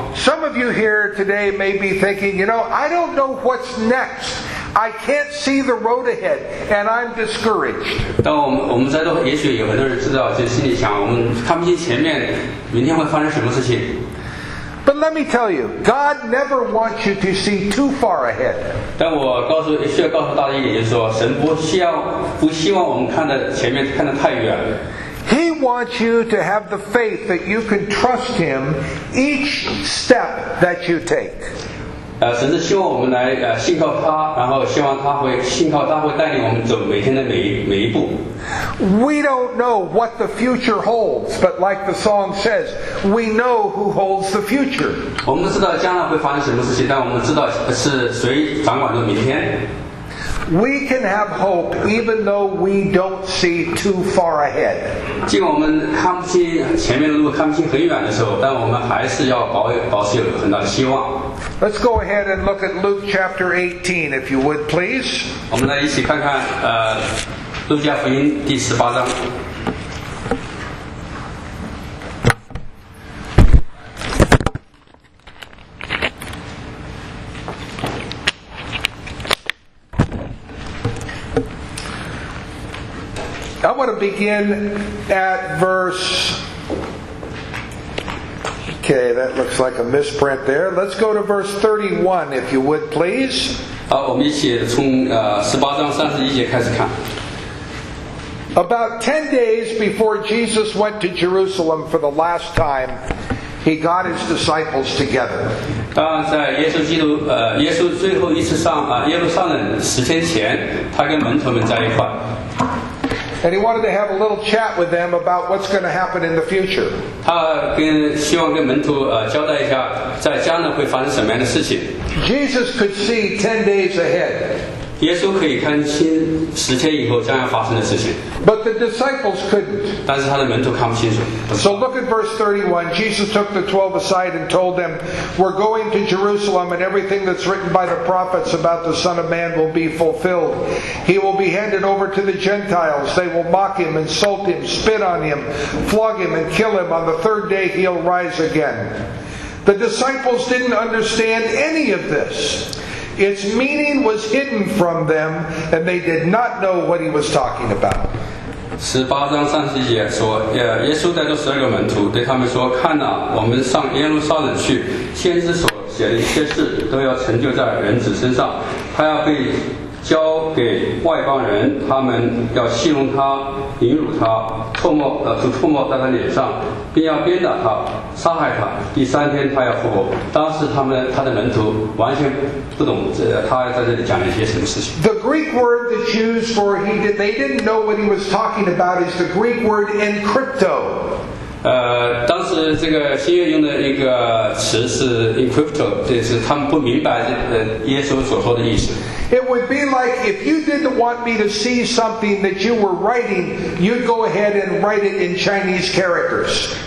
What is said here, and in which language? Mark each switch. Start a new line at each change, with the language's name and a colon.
English: Some of you here today may be thinking, you know, I don't know what's next. I can't see the road ahead, and I'm discouraged.
Chinese: 当我们在座，也许有很多人知道，就心里想，我们看不清前面，明天会发生什么事情。
English: But let me tell you, God never wants you to see too far ahead.
Chinese: 但我需要告诉大家一点，就是说，神不希望我们看的前面看得太远。
English: He wants you to have the faith that you can trust Him each step that you take.
Chinese: 神是希望我们来信靠他，然后希望他会带领我们走每天的每一步。
English: We don't know what the future holds, but like the song says, we know who holds the future.
Chinese: 我们知道将来会发生什么事情，但我们知道是谁掌管着明天。
English: We can have hope even though we don't see too far ahead.
Chinese: 尽管我们看不清前面的路，看不清很远的时候，但我们还是要保持有很大的希望。
English: Let's go ahead and look at Luke chapter 18, if you would please.
Chinese: 我们来一起看看路加福音第十八章。
English: I want to begin at verse. Okay, that looks like a misprint there. Let's go to verse 31, if you would, please.
Chinese: 好，我们一起从18章31节开始看。
English: About 10 days before Jesus went to Jerusalem for the last time, he got his disciples together.
Chinese: 当在耶稣最后一次上耶路撒冷十天前，他跟门徒们在一块。
English: And he wanted to have a little chat with them about what's going to happen in the future.
Chinese: 他希望跟门徒交代一下，在将来会发生什么样的事情。
English: Jesus could see 10 days ahead.
Chinese: 耶稣可以看清十天以后将要发生的事情。
English: But the disciples couldn't.
Chinese: 但是他的门徒看不清楚。
English: So look at verse 31. Jesus took the 12 aside and told them, "We're going to Jerusalem, and everything that's written by the prophets about the Son of Man will be fulfilled. He will be handed over to the Gentiles. They will mock him, insult him, spit on him, flog him, and kill him. On the third day, he'll rise again." The disciples didn't understand any of this. Its meaning was hidden from them, and they did not know what he was talking about.
Chinese: 十八章三十节说，耶稣带着十二个门徒对他们说：“看哪，我们上耶路撒冷去，先知所写的一切事都要成就在人子身上。他要被交给外邦人，他们要戏弄他，凌辱他，吐唾沫在他脸上，并要鞭打他，杀害他。第三天他要复活。” 当时他的门徒完全不懂他在这里讲了一些什么事情。
English: The Greek word that's used for he did, they didn't know what he was talking about is the Greek word encrypto.
Chinese: 当时这个新约用的一个词是 encrypto, 这是他们不明白耶稣所说的意思。
English: It would be like if you didn't want me to see something that you were writing, you'd go ahead and write it in Chinese characters.